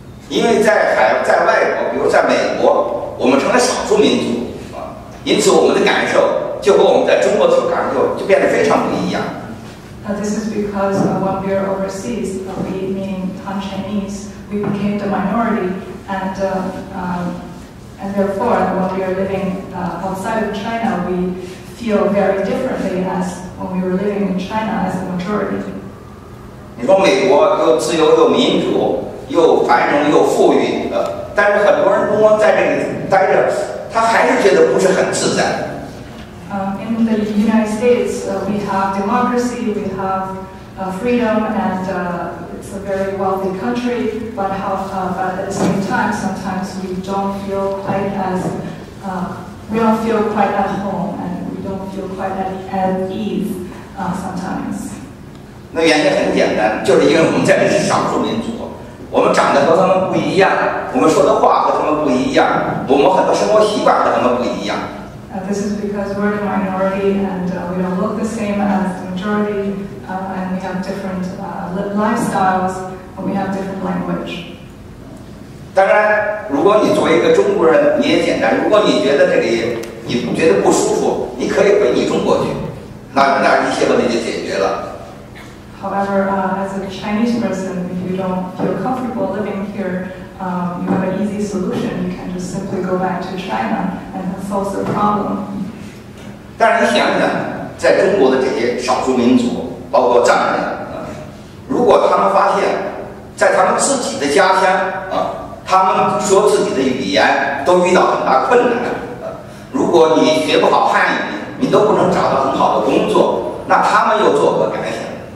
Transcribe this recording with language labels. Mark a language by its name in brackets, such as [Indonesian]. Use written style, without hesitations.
[Chinese] 因为在外国比如在美国我们成了少数民族、因此我们的感受就和我们在中国的感受就变得非常不一样、 [English] This is because when we are overseas we mean Han ChineseWe became the minority, and therefore, when we are living outside of China, we feel very differently as when we were living in China as a majority. [Chinese] 你说美国又自由又民主又繁荣又富裕，但是很多人不光在这里待着，他还是觉得不是很自在。 [English] In the United States, we have democracy, we have freedom, and. It's a very wealthy country, but, but at the same time, sometimes we don't feel quite as, we don't feel quite at home, and we don't feel quite at ease sometimes. [Chinese] 那原因很简单，就是因为我们在这是少数民族，我们长得和他们不一样，我们说的话和他们不一样，我们很多生活习惯和他们不一样。 [English] This is because we're the minority, and we don't look the same as the majority. And we have different lifestyles, and we have different language. [Chinese] 当然，如果你作为一个中国人，你也简单。如果你觉得这里你觉得不舒服，你可以回你中国去，那一切问题就解决了。 [English] However, as a Chinese person, if you don't feel comfortable living here, you have an easy solution. You can just simply go back to China and solve the problem. [Chinese] 但是你想想，在中国的这些少数民族。包括藏人，如果他们发现，在他们自己的家乡，他们说自己的语言都遇到很大困难，如果你学不好汉语，你都不能找到很好的工作，那他们又作何感想